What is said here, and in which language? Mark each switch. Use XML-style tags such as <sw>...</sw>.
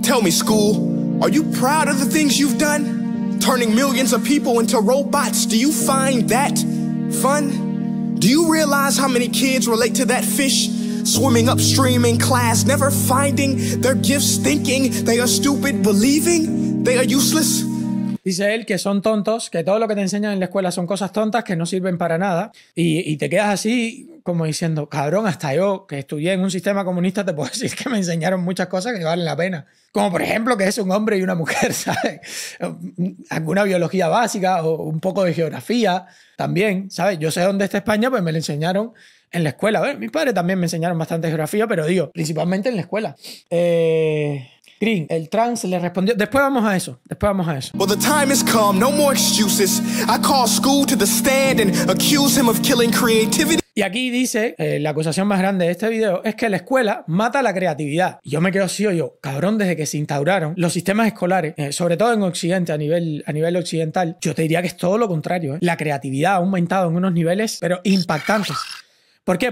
<en>Tell me, school, are you proud of the things you've done? Turning millions of people into robots, do you find that fun? Do you realize how many kids relate to that fish swimming upstream in class, never finding their gifts, thinking they are stupid, believing they are useless?</en> <es>Dice él que son tontos, que todo lo que te enseñan en la escuela son cosas tontas que no sirven para nada. Y te quedas así como diciendo, cabrón, hasta yo que estudié en un sistema comunista te puedo decir que me enseñaron muchas cosas que valen la pena. Como por ejemplo que es un hombre y una mujer, ¿sabes? Alguna biología básica o un poco de geografía también, ¿sabes? Yo sé dónde está España, pues me lo enseñaron en la escuela. Bueno, mis padres también me enseñaron bastante geografía, pero digo, principalmente en la escuela. Green, el trans le respondió. Después vamos a eso.</es> <en>Well, the time has come. No more excuses. I call school to the stand and accuse him of killing creativity.</en> <es>Y aquí dice, la acusación más grande de este video es que la escuela mata la creatividad. Y yo me quedo así, oye, cabrón, desde que se instauraron los sistemas escolares, sobre todo en Occidente, a nivel occidental, yo te diría que es todo lo contrario. La creatividad ha aumentado en unos niveles, pero impactantes. ¿Por qué?</es>